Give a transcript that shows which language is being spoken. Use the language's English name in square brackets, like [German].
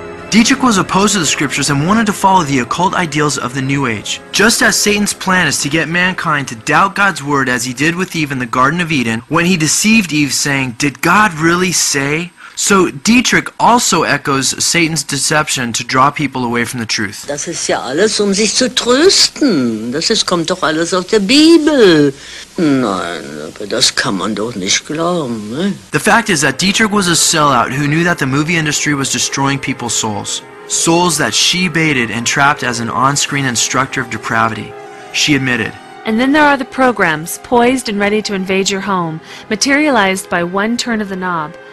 [English] Dietrich was opposed to the scriptures and wanted to follow the occult ideals of the New Age. Just as Satan's plan is to get mankind to doubt God's word, as he did with Eve in the Garden of Eden, when he deceived Eve saying, did God really say? So Dietrich also echoes Satan's deception to draw people away from the truth. [German] Das ist ja alles, um sich zu trösten. Das ist, kommt doch alles aus der Bibel. Nein, aber das kann man doch nicht glauben. Ne? [English] The fact is that Dietrich was a sellout who knew that the movie industry was destroying people's souls. Souls that she baited and trapped as an on-screen instructor of depravity. She admitted. And then there are the programs, poised and ready to invade your home, materialized by one turn of the knob.